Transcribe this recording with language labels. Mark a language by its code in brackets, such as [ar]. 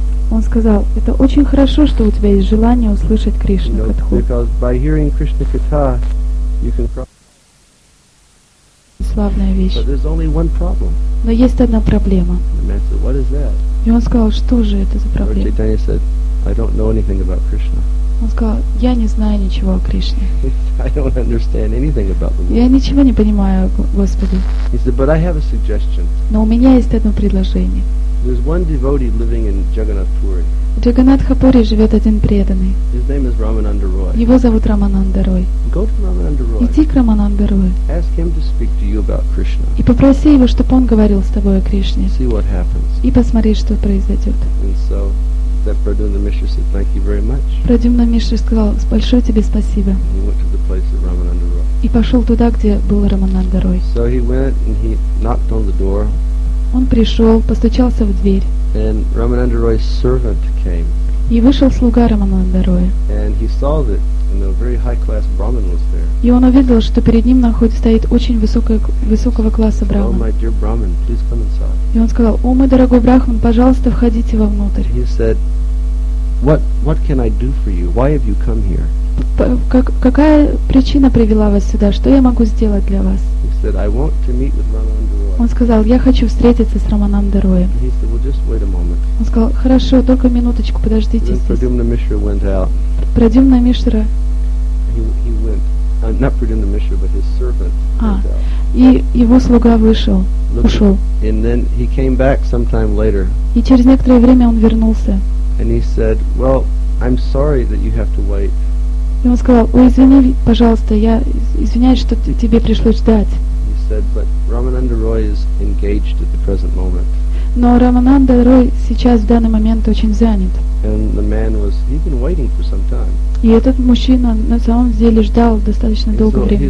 [ru] Он сказал, это очень хорошо, что у тебя есть желание услышать Кришна Катху. [en] Because by hearing Krishna Katha, you can cross. [ru] Славная вещь. [en] But there's only one problem. [ru] Но есть одна проблема. [en] The man said, what is that? [ru] И он сказал, что же это за проблема? [en] Lord Chaitanya said, I don't know anything about Krishna. [ru] Он сказал, я не знаю ничего о Кришне. [en] I don't understand anything about the Lord. [ru] Я ничего не понимаю, Господи. [en] He said, but I have a suggestion. [ru] Но у меня есть одно предложение. [en] There's one devotee living in Jagannath Puri. [ru] В Джаганатхапуре живет один преданный. [en] His name is Ramananda Roy. [ru] Его зовут Рамананда Рой. [en] Go to Ramananda Roy. [ru] Иди к Рамананда Рой. [en] Ask him to speak to you about Krishna. [ru] И попроси его, чтобы он говорил с тобой о Кришне. [en] See what happens. [ru] И посмотри, что произойдет. [en] And so that Pradyumna Mishra said, "Thank you very much." [ru] Прадюмна Мишра сказал, большое тебе спасибо. [en] He went to the place of Ramananda Roy. [ru] И пошел туда, где был Рамананда Рой. [en] So he went and he knocked on the door. [ru] Он пришел, постучался в дверь. [en] And Ramananda Roy's servant came. [ru] И вышел слуга Рамананда Роя. [en] And he saw that a very high-class Brahmin was there. [ru] И он увидел, что перед ним находится стоит очень высокого класса Брахман. [en] Oh, my dear Brahmin, please come inside. [ru] И он сказал, о, мой дорогой Брахман, пожалуйста, входите вовнутрь. [en] He said, what can I do for you? Why have you come here? [ru] Какая причина привела вас сюда? Что я могу сделать для вас? [en] He said, I want to meet with Ramananda Roy. [ru] Он сказал, я хочу встретиться с Рамананда Роем. [en] He said, well, just wait a moment. [ru] Он сказал, хорошо, только минуточку, подождите здесь. [en] Pradyumna Mishra went out. [ru] Прадюмна Мишра. [en] He went, not Pradyumna Mishra, but his servant went out. [ru] И его слуга вышел, ушел. [en] And then he came back sometime later. [ru] И через некоторое время он вернулся. [en] And he said, well, I'm sorry that you have to wait. [ru] И он сказал, ой, извини, пожалуйста, я извиняюсь, что тебе пришлось ждать. [en] He said, but Ramananda Roy is engaged at the present moment. [ru] Но Рамананда Рой сейчас в данный момент очень занят. [en] And the man was, he'd been waiting for some time. [ru] И этот мужчина на самом деле ждал достаточно долго времени.